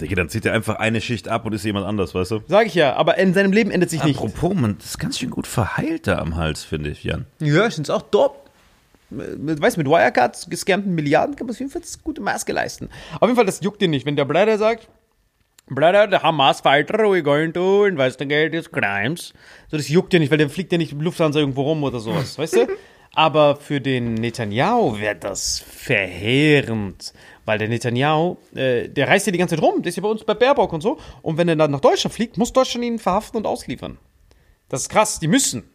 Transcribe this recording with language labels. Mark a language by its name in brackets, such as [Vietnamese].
[German] Digga, dann zieht er einfach eine Schicht ab und ist jemand anders, weißt du? Sag ich ja, aber in seinem Leben ändert sich nichts. Apropos, man ist ganz schön gut verheilt da am Hals, finde ich, Jan. Ja, ich find's auch top. Weißt du, mit Wirecard, gescampten Milliarden, kann man auf jeden Fall das gute Maske leisten. Auf jeden Fall, das juckt dir nicht, wenn der Blader sagt, Bruder, der Hamas-Fighter, [English] we're going to investigate his crimes. [German] So, das juckt ja nicht, weil der fliegt ja nicht im Lufthansa irgendwo rum oder sowas, weißt du? Aber für den Netanyahu wäre das verheerend. Weil der Netanyahu, der reist ja die ganze Zeit rum, der ist ja bei uns bei Baerbock und so. Und wenn er dann nach Deutschland fliegt, muss Deutschland ihn verhaften und ausliefern. Das ist krass, die müssen.